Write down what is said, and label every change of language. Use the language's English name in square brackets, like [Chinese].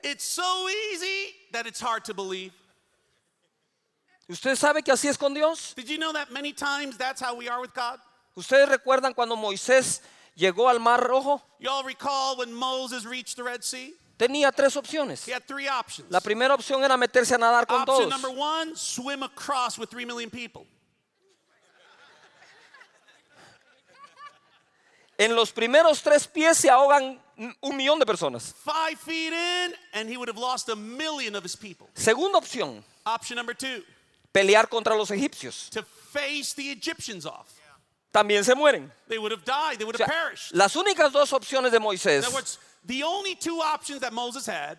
[English] It's so easy that it's hard to believe. [Spanish] ¿Usted sabe que así es con Dios? [English] Did you know that many times that's how we are with God? [Spanish] ¿Ustedes recuerdan cuando Moisés llegó al Mar Rojo? [English] Y'all recall when Moses reached the Red Sea? [Spanish] Tenía tres opciones. [English] He had three options. [Spanish] La primera opción era meterse a nadar con [English] option Number one, swim across with 3 million people. [Spanish] En los primeros tres pies se ahogan 1 millón de personas. [English] 5 feet in and he would have lost 1 million of his people. [Spanish] Segunda opción. [English] Option number two. [Spanish] Pelear contra los egipcios. [English] To face the Egyptians off. [Spanish] También se mueren. [English] They would have died. They would have perished. [Spanish] Las únicas dos opciones de Moisés, [English] in other words, the only two options that Moses had,